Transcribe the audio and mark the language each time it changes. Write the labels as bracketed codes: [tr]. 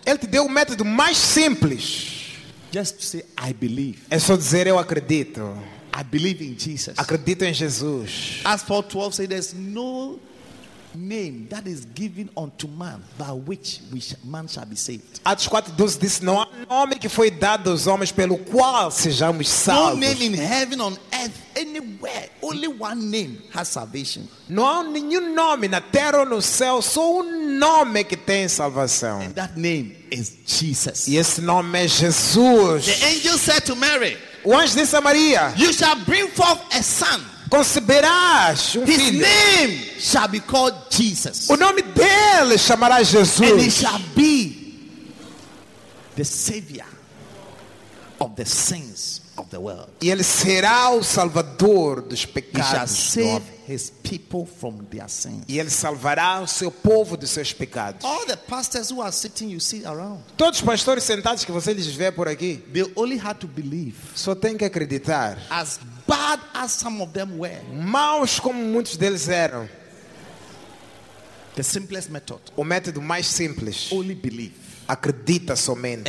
[pt] Ele te deu o método mais simples. [en] Just to say, I believe. [pt] É só dizer, eu acredito. [en] I believe in Jesus. [pt] Acredito em Jesus. [en] As Paul 12 says, there's no name that is given unto man by which man shall be saved. [pt] Atos 4:12 diz, não há nome que foi dado aos homens pelo qual sejamos salvos. [en] No name in heaven, on earth, anywhere, only one name has salvation. [pt] Não há nenhum nome na terra ou no céu, só nome que tem salvação. [en] And that name is Jesus. [pt] E esse nome é Jesus. [en] The angel said to Mary, [pt] o anjo disse a Maria, [en] you shall bring forth a son. [pt] Conceberás um [en] His [pt] filho. [en] Name shall be called Jesus. [pt] O nome dele chamará Jesus. [en] And he shall be the savior of the sins of the world. [pt] E ele será o salvador dos pecados. [en] He shall save his people from their sins. [pt] E ele salvará o seu povo dos seus pecados. [en] All the pastors who are sitting, you see around. [pt] Todos os pastores sentados que vocês vê por aqui. [en] They only had to believe. [pt] Só tem que acreditar. [en] As bad as some of them were. [pt] Maus como muitos deles eram. [en] The simplest method. [pt] O método mais simples. [en] Only believe. [pt] Acredita somente.